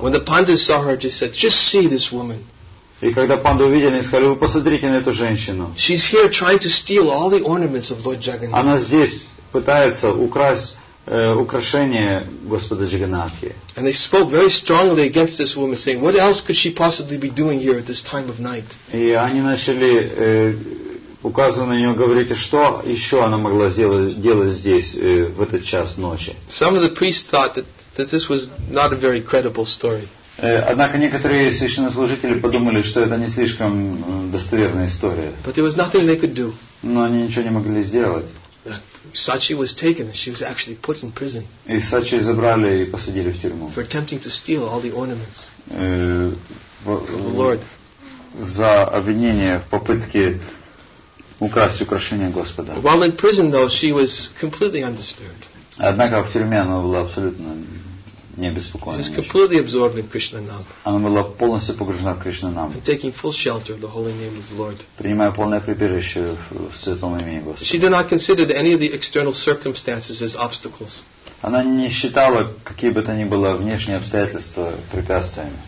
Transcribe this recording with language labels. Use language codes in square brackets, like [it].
[en] When the pandas saw her, they said, "Just see this woman." [ru] И когда панды увидели, они сказали: «Вы посмотрите на эту женщину». [en] She's here trying to steal all the ornaments of Lord Jagannath. [ru] Она здесь пытается украсть украшения Господа Джаганнатхи. [en] And they spoke very strongly against this woman, saying, "What else could she possibly be doing here at this time of night?" [ru] И они начали указывая на нее, говорите, что еще она могла делать здесь в этот час ночи. [en] Some of the priests thought that this was not a very credible story. [ru] Однако некоторые священнослужители подумали, что это не слишком достоверная история. [en] But there was nothing they could do. [ru] Но они ничего не могли сделать. [en] Сачи was taken. She was actually put in prison. [ru] И Сачи забрали и посадили в тюрьму. [en] For attempting to steal all the ornaments of the Lord. [ru] За обвинение в попытке украсть украшения Господа. [en] While in prison, though, she was completely undisturbed. [ru] Однако в тюрьме она была абсолютно не обеспокоена. [en] She was completely absorbed in Krishna Nam. [ru] Она была полностью погружена в Кришна Нам. [en] Taking full shelter of the holy name of the Lord. [ru] Принимая полное прибежище в святом имени Господа. [en] She did not consider any of the external circumstances as obstacles. [ru] Она не считала какие бы то ни было внешние обстоятельства препятствиями.